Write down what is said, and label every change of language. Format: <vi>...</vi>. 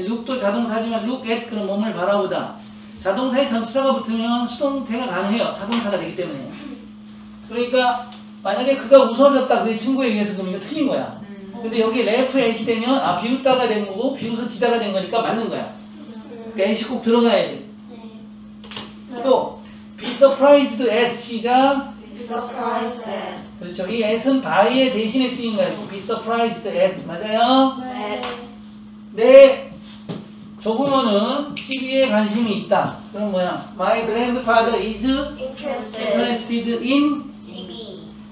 <ko>look도 자동사지만 look at 그런 몸을 바라보다. 자동사에 전치사가 붙으면 수동태가 가능해요. 타동사가 되기 때문에. 그러니까 만약에 그가 웃어졌다 그 친구에 의해서 그러면 이거 틀린 거야. 근데 여기 left at이 되면 아 비웃다가 된 거고 비웃어 지다가 된 거니까 맞는 거야. 그러니까 at이 꼭 들어가야 돼. 네. 또 be surprised at 시작. be surprised at. 그렇죠. 이 at은 by에 대신에 쓰인 거야.</ko> <en>be surprised at. 맞아요?</en> <ko>네. 내 조부모는 TV에 관심이 있다.</ko> <en>그럼 뭐야? My grandfather is interested in TV.</en>